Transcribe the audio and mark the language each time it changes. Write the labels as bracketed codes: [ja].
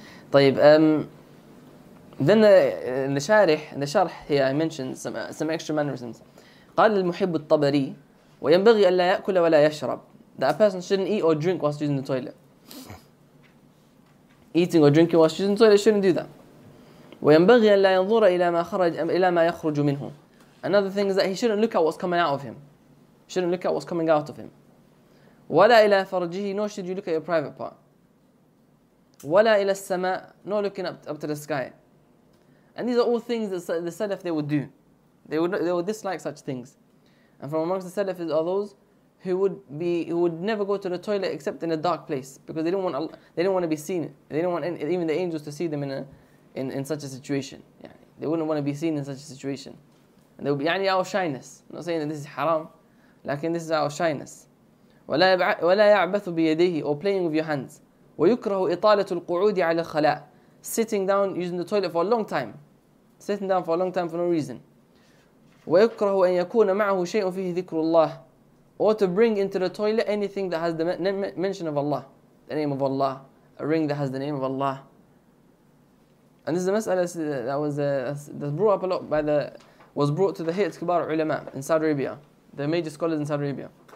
[en] طيب, then in the sharh here, I mentioned some extra mannerisms. [ar] قال المحب الطبري وينبغي ألا يأكل ولا يشرب [en] that a person shouldn't eat or drink whilst using the toilet. Eating or drinking whilst using the toilet shouldn't do that. [ar] وينبغي ألا ينظر إلى ما يخرج منه. [en] Another thing is that he shouldn't look at what's coming out of him. Shouldn't look at what's coming out of him. [ar] وَلَا إِلَى فَرْجِهِ [en] Nor should you look at your private part. [ar] وَلَا إِلَى السَّمَاءِ [en] Nor looking up to the sky. And these are all things that the Salaf, they would do. They would dislike such things. And from amongst the Salaf are those who would never go to the toilet except in a dark place. Because they didn't want to be seen. They didn't want even the angels to see them in such a situation. They wouldn't want to be seen in such a situation. And they would be يعني our shyness. I'm not saying that this is haram. Lakin this is our shyness. [ar] وَلَا يَعْبَثُ بِيَدَيْهِ [en] Or playing with your hands. [ar] وَيُكْرَهُ إِطَالَةُ الْقُعُودِ عَلَى الْخَلَاءِ [en] Sitting down using the toilet for a long time. Sitting down for a long time for no reason. [ar] ويكره أن يكون معه شيء فيه ذكر الله. [en] Or to bring into the toilet anything that has the mention of Allah, the name of Allah, a ring that has the name of Allah. And this is a mas'ala that was brought up a lot by was brought to the Hayat Kibar Ulama in Saudi Arabia, the major scholars in Saudi Arabia.